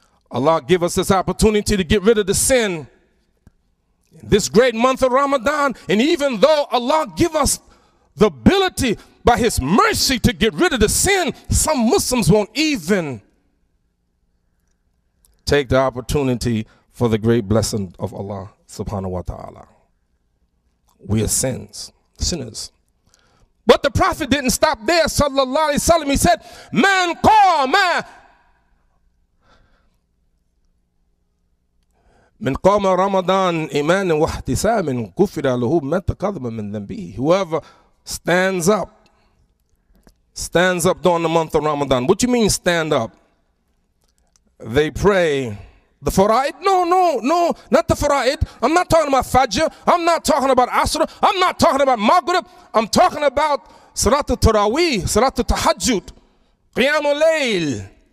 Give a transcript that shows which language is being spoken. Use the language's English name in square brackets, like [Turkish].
[English] Allah give us this opportunity to get rid of the sin. This great month of Ramadan, and even though Allah give us the ability by His mercy to get rid of the sin, some Muslims won't even take the opportunity for the great blessing of Allah subhanahu wa ta'ala. we are sinners. But the prophet didn't stop there, sallallahu alayhi wa sallam. He said, [Arabic] man qaw ma. من قام رمضان إيمان واحتسام كفر له ما تقدم من ذنبه. [English] Whoever stands up during the month of Ramadan. What do you mean stand up? They pray the faraid? No, not the faraid. I'm not talking about Fajr. I'm not talking about Asr. I'm not talking about Maghrib. I'm talking about Salat al-Tarawih, Salat al-Tahajjud, Qiyam al-Layl.